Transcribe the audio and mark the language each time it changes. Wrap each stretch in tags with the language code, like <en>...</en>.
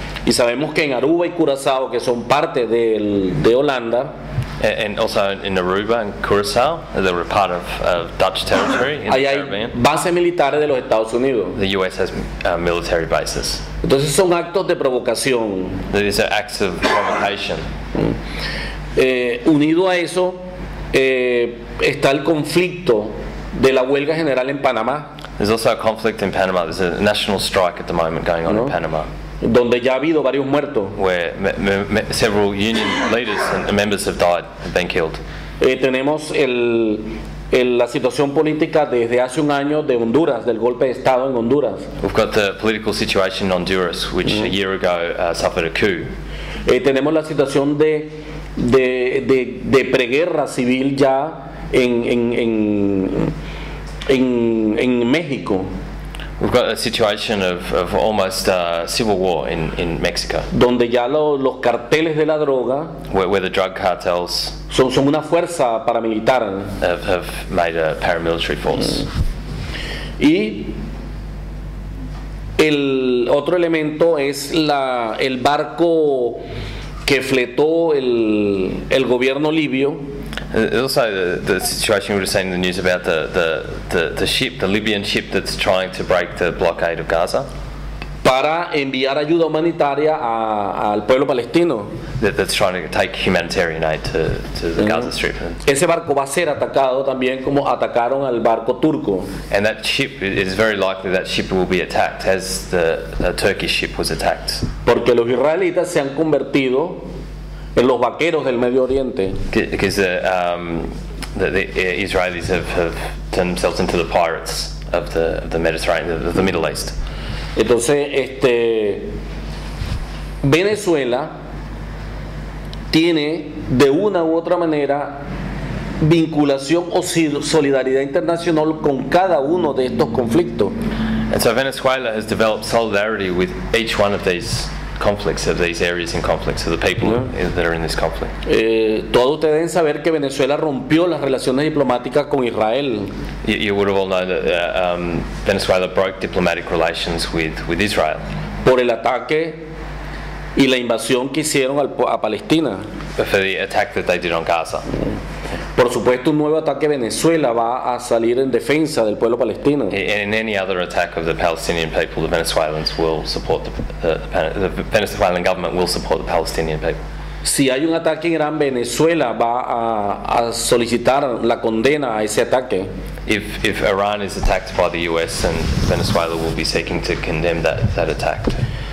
<es>Y sabemos que en Aruba y Curazao, que son parte de Holanda,</es> <en>and also in Aruba and Curaçao, they were part of Dutch territory in the Caribbean.</en> <es>Bases militares de los Estados Unidos.</es> <en>The U.S. has military bases.</en> <es>Entonces son actos de provocación.</es> <en>These are acts of provocation.</en> <es>Unido a eso, está el conflicto de la huelga general en Panamá.</es> <en>There's also a conflict in Panama. There's a national strike at the moment going on in Panama.</en> <es>Donde ya ha habido varios muertos.</es> <en>Where several union leaders and members have died, have been killed.</en> <es>Tenemos la situación política desde hace un año de Honduras, del golpe de estado en Honduras.</es> <en>We've got the political situation in Honduras, which a year ago suffered a coup.</en> <es>Tenemos la situación de preguerra civil ya en México.</es> <en>We've got a situation of almost civil war in Mexico.</en> <es>Donde ya los carteles de la droga,</es> <en>where the drug cartels</en> <es>son una fuerza paramilitar,</es> <en>have made a paramilitary force.</en> <es>Y el otro elemento es el barco que fletó el gobierno libio.</es> <en>Also, the situation we were saying in the news about the ship, the Libyan ship that's trying to break the blockade of Gaza,</en> <es>para enviar ayuda humanitaria al pueblo palestino.</es> <en>That's trying to take humanitarian aid to the Gaza Strip.</en> <es>Ese barco va a ser atacado también como atacaron al barco turco.</es> <en>And that ship, it's very likely that ship will be attacked as the Turkish ship was attacked.</en> <es>Porque los israelitas se han convertido en los vaqueros del Medio Oriente.</es> <en>Because the Israelis have turned themselves into the pirates of the Mediterranean, of the Middle East.</en> <es>Entonces, Venezuela tiene de una u otra manera vinculación o solidaridad internacional con cada uno de estos conflictos.</es> <en>And so Venezuela has developed solidarity with each one of these conflicts, of these areas in conflict, of the people that are in this conflict.</en> <es>Todos ustedes deben saber que Venezuela rompió las relaciones diplomáticas con Israel.</es> <en>You would have all known that Venezuela broke diplomatic relations with Israel.</en> <es>Por el ataque y la invasión que hicieron a Palestina.</es> <en>For the attack that they did on Gaza.</en> <es>Por supuesto, un nuevo ataque a Venezuela va a salir en defensa del pueblo palestino.</es> <en>In any other attack of the Palestinian people, the Venezuelans will support the Venezuelan government will support the Palestinian people.</en> <es>Si hay un ataque en Irán, Venezuela va a solicitar la condena a ese ataque.</es> <en>If Iran is attacked by the U.S., then Venezuela will be seeking to condemn that attack.</en>